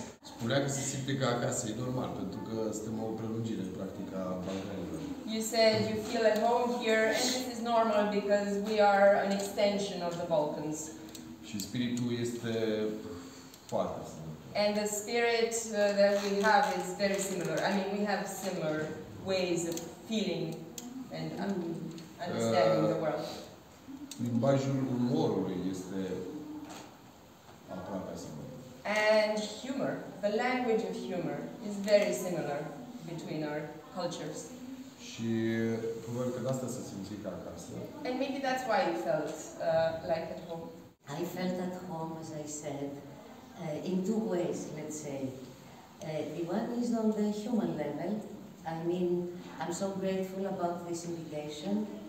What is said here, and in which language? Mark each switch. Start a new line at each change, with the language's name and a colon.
Romanian: Spunea că se simte ca acasă, e normal, pentru că suntem o prelungire, practic, a Balcanilor.
English: You said you feel at home here, and this is normal because we are an extension of the Balkans.
Romanian: Și spiritul este foarte similar.
English: And the spirit that we have is very similar. I mean, we have similar ways of feeling and understanding the world.
Romanian: Limbajul umorului este aproape similar.
English: And humor, the language of humor, is very similar between our cultures.
Romanian: Și probabil că de asta se simțea ca acasă.
English: And maybe that's why you felt like at home. I felt at home, as I said, in two ways, let's say. The one is on the human level. I mean, I'm so grateful about this invitation.